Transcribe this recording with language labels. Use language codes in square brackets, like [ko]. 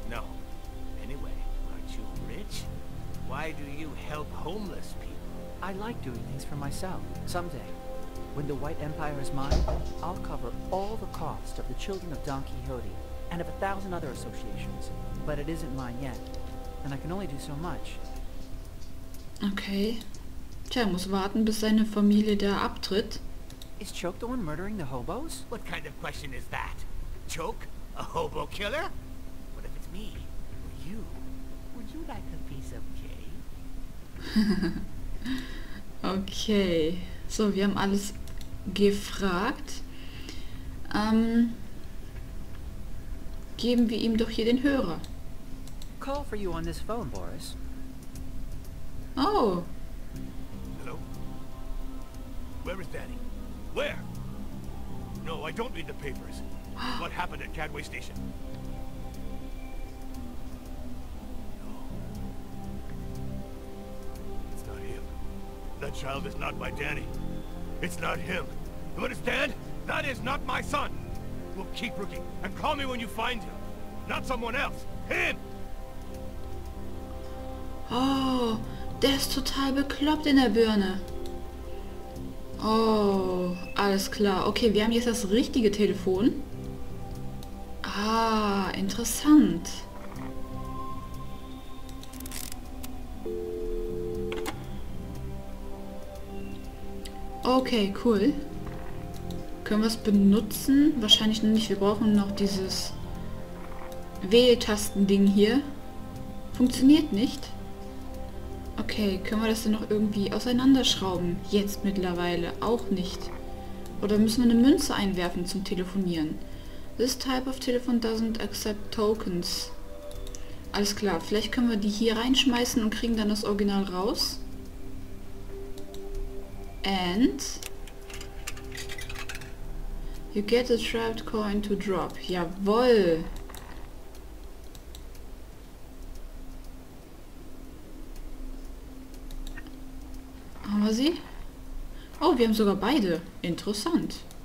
[en] No. Anyway, aren't you rich? Why do you help homeless people? I like doing things for myself. Someday, when the White Empire is mine, I'll cover all the cost of the Children of Don Quixote and of 1,000 other associations. But it isn't mine yet, and I can only do so much. Okay. [de] Tja, muss warten, bis seine Familie da abtritt. [en] Is Choke the one murdering the hobos? What kind of question is that? Choke? A hobo killer? What if it's me? Or you? Would you like a piece of cake? [de] Okay. So, wir haben alles gefragt. Geben wir ihm doch hier den Hörer. [en] Call for you on this phone, Boris. Oh. Hello? Where is Danny? Where? No, I don't read the papers. What happened at Cadway Station? No. It's not him. That child is not my Danny. It's not him. You understand? That is not my son. Look, keep looking and call me when you find him. Not someone else. Him! [de] Oh, der ist total bekloppt in der Birne. Oh, alles klar. Okay, wir haben jetzt das richtige Telefon. Ah, interessant. Okay, cool. Können wir es benutzen? Wahrscheinlich noch nicht. Wir brauchen noch dieses Wähltastending hier. Funktioniert nicht. Okay, können wir das denn noch irgendwie auseinanderschrauben? Jetzt mittlerweile auch nicht. Oder müssen wir eine Münze einwerfen zum Telefonieren? [en] This type of telephone doesn't accept tokens. [de] Alles klar, vielleicht können wir die hier reinschmeißen und kriegen dann das Original raus. [en] And you get a trapped coin to drop. [de] Jawoll! Haben wir sie? Oh, wir haben sogar beide. Interessant.